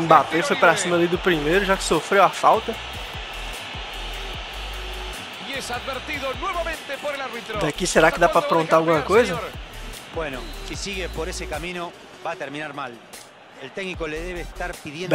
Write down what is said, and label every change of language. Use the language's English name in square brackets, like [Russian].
[Portuguese] Mbappé foi para cima ali do primeiro, já que sofreu a falta. [Spanish] Y es advertido nuevamente por el árbitro. [Portuguese] De aquí será que dá para aprontar alguma coisa? [Spanish] Bueno, si sigue por ese camino va a terminar mal. El técnico le debe estar pidiendo